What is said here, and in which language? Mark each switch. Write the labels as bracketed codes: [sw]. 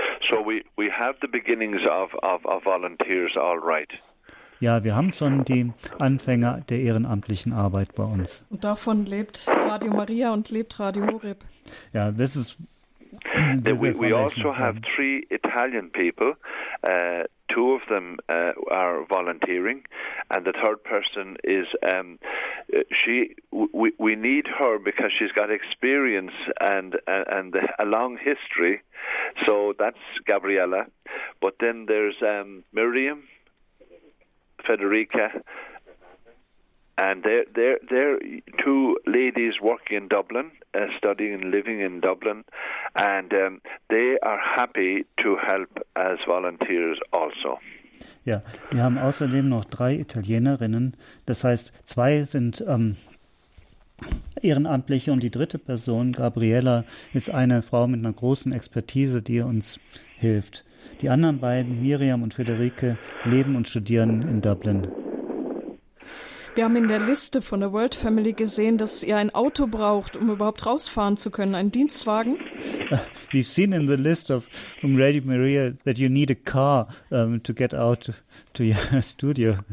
[en] So we have the beginnings of volunteers, all right. [de] Ja, wir haben schon die Anfänge der ehrenamtlichen Arbeit bei uns. Und davon lebt Radio Maria und lebt Radio Horeb. [en] Ja, this is. We also have three Italian people. Two of them are volunteering, and the third person is we need her because she's got experience and a long history. So that's Gabriella. But then there's Miriam, Federica, and they're two ladies working in Dublin, studying and living in Dublin, and they are happy to help as volunteers also. [de] Ja, wir haben außerdem noch drei Italienerinnen. Das heißt, zwei sind Ehrenamtliche und die dritte Person, Gabriella, ist eine Frau mit einer großen Expertise, die uns hilft. Die anderen beiden, Miriam und Federica, leben und studieren in Dublin. Wir haben in der Liste von der World Family gesehen, dass ihr ein Auto braucht, um überhaupt rausfahren zu können, einen Dienstwagen. [en] We've seen in the list of from Radio Maria that you need a car to get out to your studio.